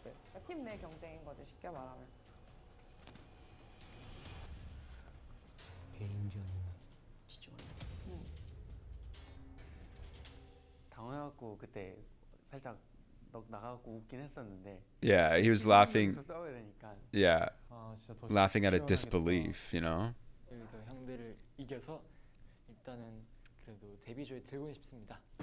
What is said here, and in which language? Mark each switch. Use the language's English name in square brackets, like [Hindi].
[Korean] 그러니까 팀 내 경쟁인 거지, 쉽게 말하면. 개인전이면 진짜 많이. 당황해갖고 그때 살짝 넋 나가갖고 웃긴 했었는데. [English] Yeah, he was laughing. [Korean] 싸워야 되니까. [English] Yeah. [Korean] 아, 진짜 더 [English] laughing at a disbelief, you know. [Korean] 여기서 형들을 이겨서 일단은 그래도 데뷔조에 들고 싶습니다.